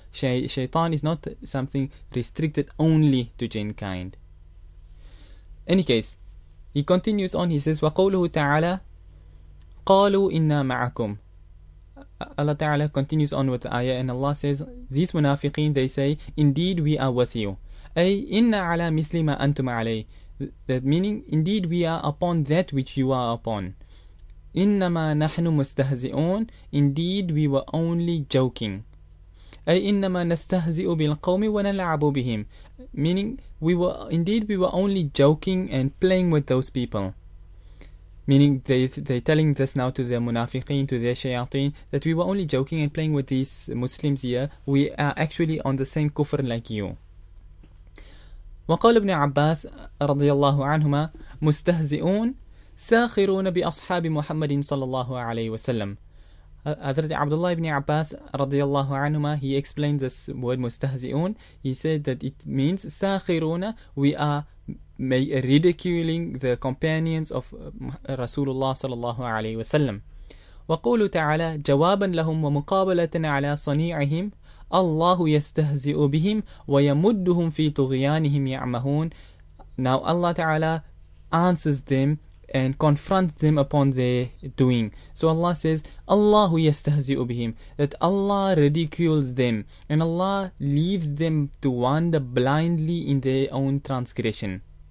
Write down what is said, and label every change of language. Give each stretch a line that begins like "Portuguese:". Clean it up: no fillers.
English: Shaytan is not something restricted only to jinnkind. Any case, he continues on, he says,
Arabic: وَقَوْلُهُ تَعَالَى قَالُوا إِنَّا مَعَكُمْ.
English: Allah Ta'ala continues on with the ayah and Allah says, these munafiqeen, they say, indeed we are with you.
Arabic: أي إن على مثل ما أنتم عليه.
English: That meaning, indeed we are upon that which you are upon.
Arabic: إنما نحن مستهزئون.
English: Indeed we were only joking.
Arabic: أي إنما نستهزئ بالقوم ونلعب بهم.
English: Meaning, we were only joking and playing with those people. Meaning, they're telling this now to their munafiqeen, to their shayateen, that we were only joking and playing with these Muslims here. We are actually on the same kufr like you.
Arabic: وقال ابن عباس رضي الله عنهما مستهزئون ساخرون بأصحاب محمد صلى الله عليه وسلم.
English: Hazrat Abdullah ibn Abbas رضي الله عنهما, he explained this word مستهزئون. He said that it means ساخرون, we are ridiculing the companions of رسول الله صلى الله عليه وسلم.
Arabic: وقولوا تعالى جوابا لهم ومقابلة على صنيعهم الله يستهزئ بهم ويمدهم في طغيانهم يعمهون.
English: Now Allah Ta'ala answers them and confronts them upon their doing. So Allah says, Allah
Arabic: يستهزئ بهم,
English: that Allah ridicules them and Allah leaves them to wander blindly in their own transgression.